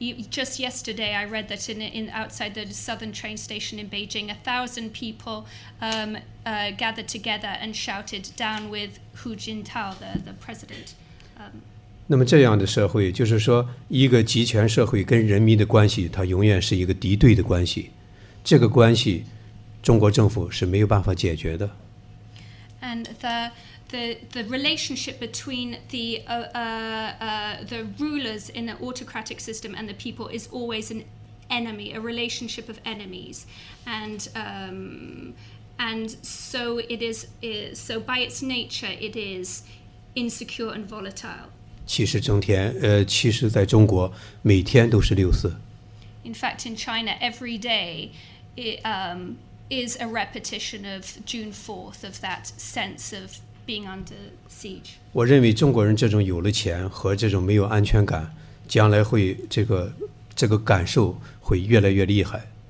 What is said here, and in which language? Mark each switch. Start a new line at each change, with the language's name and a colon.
English: Just yesterday, I read that in outside the southern train station in Beijing, 1,000 people gathered together and shouted, "Down with Hu Jintao, the president."
Chinese: 那么这样的社会，就是说，一个集权社会跟人民的关系，它永远是一个敌对的关系。这个关系，中国政府是没有办法解决的。
English: And the relationship between the rulers in an autocratic system and the people is always an enemy, a relationship of enemies, and so it is. So by its nature, it is insecure and volatile.
Chinese: 其实在中国每天都是六四。
English: In fact, in China, every day is a repetition of June 4th, of that sense of being under siege.
Chinese: 我认为中国人这种有了钱和这种没有安全感，将来会这个感受会越来越厉害。